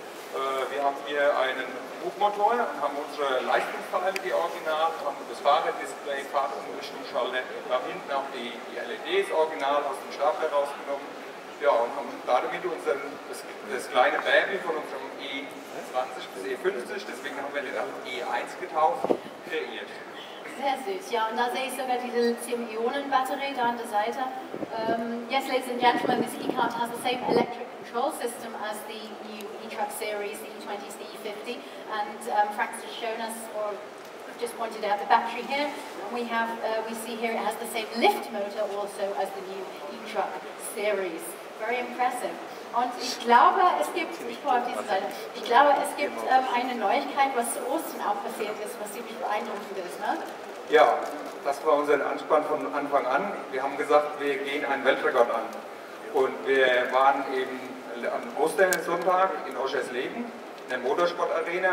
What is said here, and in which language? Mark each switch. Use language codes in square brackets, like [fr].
[de] Wir haben hier einen Hubmotor, haben unsere Leistungsteile, die original, haben das Fahrerdisplay, Fahrtumrichtungsschalter, da hinten auch die LEDs original aus dem Stapel rausgenommen. Ja, und haben damit das kleine Baby von unserem E20 bis E50, deswegen haben wir den auch E1 getauft, kreiert. Sehr süß, ja, und da sehe ich sogar diese Lithium-Ionen-Batterie da an der Seite. [en] Yes, ladies and gentlemen, this E-Card has the same electric control system as the new E-Truck series, the E20s, the E50. And Frank has shown us, or just pointed out, the battery here. And we see here it has the same lift motor also as the new E-Truck series. Very impressive. [de] Und ich glaube, es gibt, eine Neuigkeit, was zu Ostern auch passiert ist, was ziemlich beeindruckend ist, ne? Ja, das war unser Anspann von Anfang an. Wir haben gesagt, wir gehen einen Weltrekord an. Und wir waren eben am Ostersonntag in Oschersleben, in der Motorsportarena.